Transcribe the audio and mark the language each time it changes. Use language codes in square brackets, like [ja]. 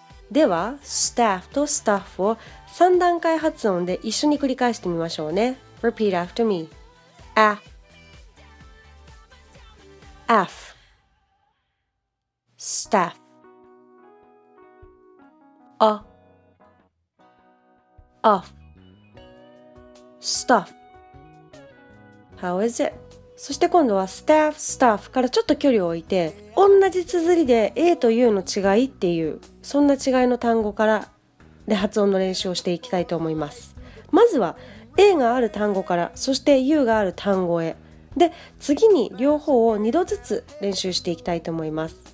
[ja] では、staff と staff を3段階発音で一緒に繰り返してみましょうね。 [en] Repeat after me. A F Staff A Off Stuff How is it? [ja] そして今度は staff, staff からちょっと距離を置いて同じ綴りで A と U の違いっていうそんな違いの単語からで発音の練習をしていきたいと思います。まずは A がある単語からそして U がある単語へで次に両方を2度ずつ練習していきたいと思います。